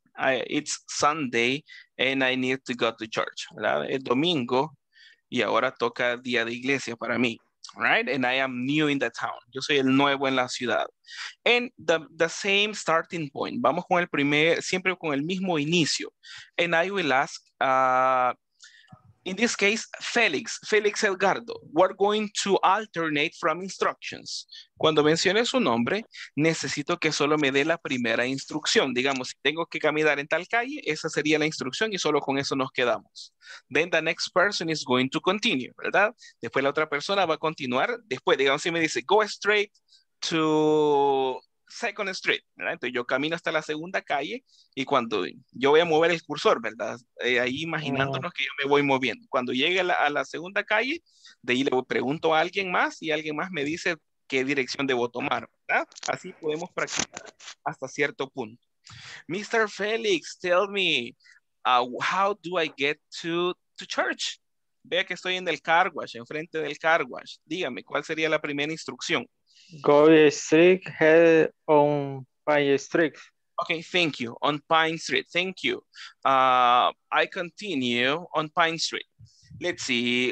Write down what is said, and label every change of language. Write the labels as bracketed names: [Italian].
[English] It's Sunday and I need to go to church. [Spanish] ¿Verdad? Es domingo y ahora toca día de iglesia para mí. [English] Right? And I am new in the town. [Spanish] Yo soy el nuevo en la ciudad. [English] And the same starting point. [Spanish] Vamos con el primer, siempre con el mismo inicio. [English] And I will ask, in this case, [Spanish] Felix, Felix Edgardo. [English] We're going to alternate from instructions. [Spanish] Cuando mencione su nombre, necesito que solo me dé la primera instrucción. Digamos, si tengo que caminar en tal calle, esa sería la instrucción y solo con eso nos quedamos. [English] Then the next person is going to continue, ¿verdad? [Spanish] Después la otra persona va a continuar. Después, digamos, si me dice, [English] go straight to Second Street, [Spanish] ¿verdad? Entonces yo camino hasta la segunda calle y cuando yo voy a mover el cursor, ¿verdad? Ahí imaginándonos que yo me voy moviendo. Cuando llegue a la segunda calle, de ahí le pregunto a alguien más y alguien más me dice qué dirección debo tomar, ¿verdad? Así podemos practicar hasta cierto punto. Mr. [English] Felix, tell me, how do I get to church? [Spanish] Vea que estoy en el car wash, enfrente del car wash. Dígame, ¿cuál sería la primera instrucción? [English] Go straight head on Pine Street. Okay, thank you. On Pine Street, thank you. I continue on Pine Street. Let's see.